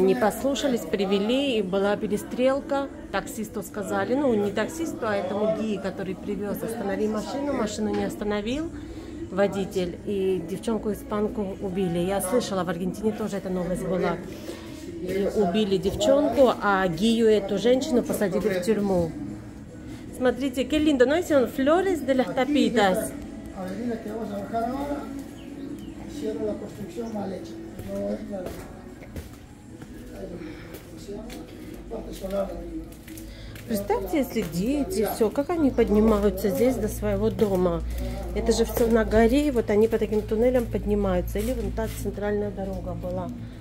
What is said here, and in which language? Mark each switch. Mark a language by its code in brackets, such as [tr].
[ru] Они послушались, привели, и была перестрелка. Таксисту сказали, ну не таксисту, а этому гии, который привез, останови машину. Машину не остановил водитель, и девчонку-испанку убили. Я слышала, в Аргентине тоже эта новость была. И убили девчонку, а гию, эту женщину, посадили в тюрьму. Смотрите, [es] qué lindo, ¿no? Son flores de las tapitas. Avenida que vamos a bajar ahora, hicieron la construcción mal hecha. No es la parte solar de arriba. [ru] Представьте, если дети, все, как они поднимаются здесь до своего дома. Это же все на горе, и вот они по таким туннелям поднимаются. Или вон та центральная дорога была.